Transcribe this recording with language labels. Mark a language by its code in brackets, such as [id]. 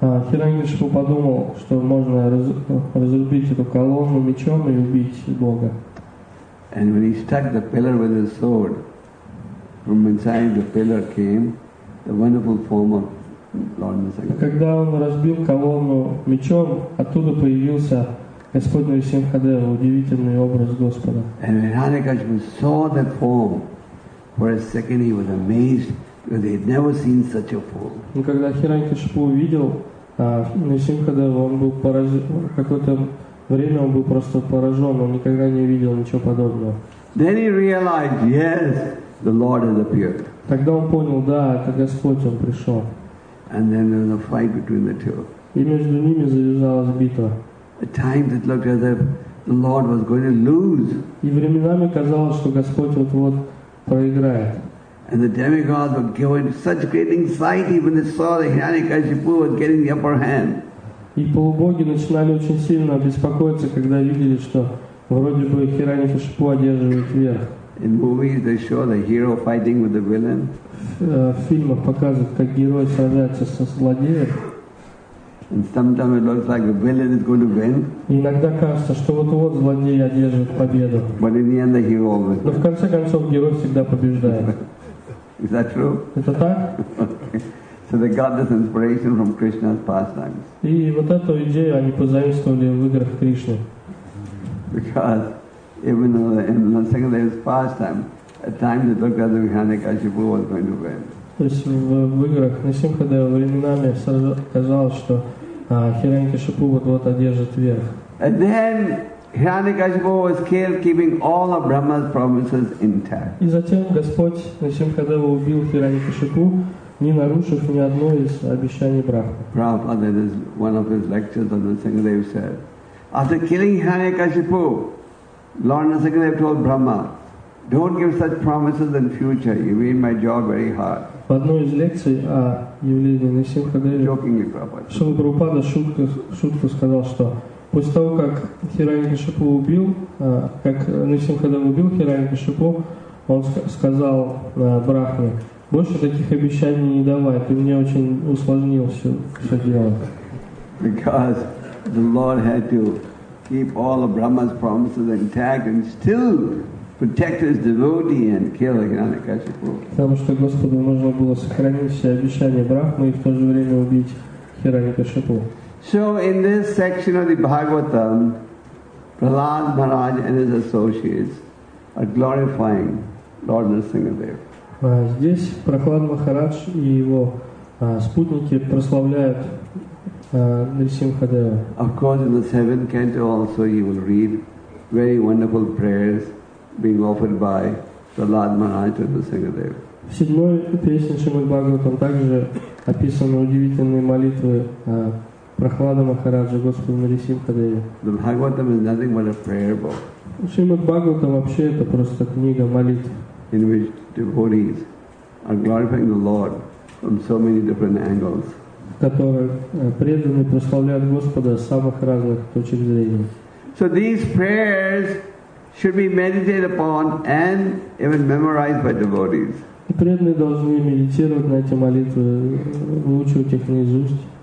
[ru] Hirani Kashipu подумал, что можно разрубить эту колонну мечом и убить Бога. [en] And when he struck the pillar with his sword, from inside the pillar came the wonderful form of Lord Nisargadatta. [ru] Когда он разбил колонну мечом, оттуда появился Господь Нарсимхадева, удивительный образ Господа. [en] And when Hiranyakashipu saw that form, for a second he was amazed because he had never seen such a form. [ru] Но когда Хиранькашипу увидел Нарсимхадева, он был поражен. Какое-то время он был просто поражен, он никогда не видел ничего подобного. [en] Then he realized, yes, the Lord has appeared. [ru] Тогда он понял, да, это Господь, он пришел. [en] And then there was a fight between the two. [ru] И между ними завязалась битва. [en] At times it looked as if the Lord was going to lose. [ru] И временами казалось, что Господь вот-вот проиграет. [en] And the demigods were given such great anxiety when they saw that Hiranyakashipu was getting the upper hand. [ru] И полубоги начинали очень сильно беспокоиться, когда видели, что вроде бы Хиранья-Кашипу одерживает верх. [en] In movies they show the hero fighting with the villain. [ru] В фильмах показывают, как герой сражается со злодеем. [en] And sometimes it looks like the villain is going to win. [ru] Иногда кажется, что вот-вот злодей одерживает победу. [en] But in the end the hero wins. [ru] Но в конце концов герой всегда побеждает. [en] Is that true? [ru] Это так? [en] So they got this inspiration from Krishna's pastimes. [ru] И вот эту идею они позаимствовали в играх Кришны. [en] Because even though in the second day was pastime, at times it looked as if Hiranyakashipu was going to win. [ru] То есть в играх Нарсимхадева временами казалось, что Хиранькашипу вот-вот одержит верх. [en] And then Hiranyakashipu was killed, keeping all of Brahma's promises intact. [ru] И затем Господь Нарсимхадева убил Хиранькашипу, не нарушив ни одно из обещаний Брахмы. [en] Prabhupada, in one of his lectures on Nisangadev, said, after killing Hiranyakashipu, Lord Nisangadev told Brahma, don't give such promises in future, you made my job very hard. [ru] В одной из лекций о явлении Нисимхадеве, Шрила Прабхупада шутку сказал, что после того, как Хиранькашипу убил, как Нисимхадев убил Хиранькашипу, он сказал Брахме, больше таких обещаний не давай, ты мне очень усложнил все дело. [en] Because the Lord had to keep all of Brahma's promises intact and still protect his devotee and kill Hiranyakashipu. [ru] Потому что Господу нужно было сохранить все обещания Брахмы и в то же время убить Хиранькашипу. [en] So in this section of the Bhagavatam, Prahlad Maharaj and his associates are glorifying Lord Nrsimhadeva. [ru] Здесь Прохлад Махарадж и его спутники прославляют Нарсимхадева. [en] Of course, in the seventh canto also you will read very wonderful prayers being offered by Prahlad Maharaj to Nrsimhadeva. [ru] В седьмой песне Шримад-Бхагаватам также описаны удивительные молитвы Прохлада Махараджа Господу Нарсимхадеве. [en] The Bhagavatam is nothing but a prayer book. [ru] Шримад-Бхагаватам вообще это просто книга молитв. [en] In which devotees are glorifying the Lord from so many different angles. [ru] Которые преданные прославляют Господа с самых разных точек зрения. [en] So these prayers should be meditated upon and even memorized by devotees. [ru] Преданные должны медитировать на эти молитвы, выучивать их наизусть.